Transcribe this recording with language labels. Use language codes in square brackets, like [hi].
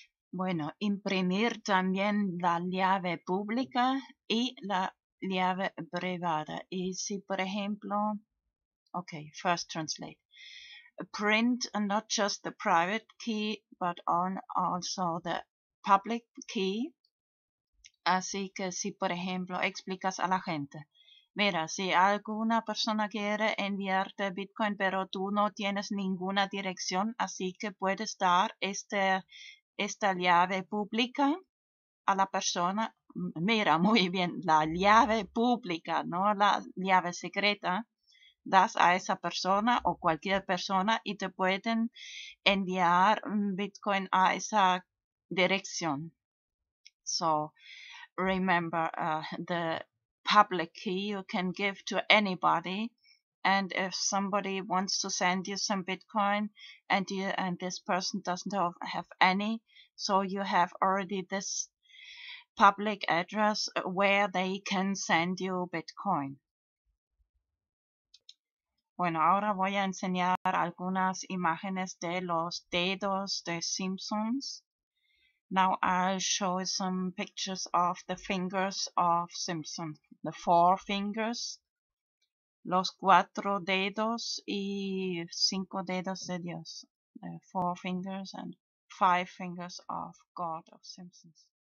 [es] Bueno, imprimir también la llave pública y la llave privada. Y si, por ejemplo... [en] Okay, first translate. Print not just the private key, but on also the public key. [es] Así que si, por ejemplo, explicas a la gente. Mira, si alguna persona quiere enviarte Bitcoin, pero tú no tienes ninguna dirección, así que puedes dar esta llave pública a la persona. Mira, muy bien, la llave pública, no la llave secreta. Das a esa persona o cualquier persona y te pueden enviar Bitcoin a esa dirección. [en] So, remember, the public key you can give to anybody. And if somebody wants to send you some Bitcoin and this person doesn't have any, so you have already this public address where they can send you Bitcoin. [es] Bueno, ahora voy a enseñar algunas imágenes de los dedos de Simpsons. [en] Now I'll show some pictures of the fingers of Simpsons. The 4 fingers, [es] los 4 dedos y 5 dedos de Dios. [en] 4 fingers and 5 fingers of God of Simpsons.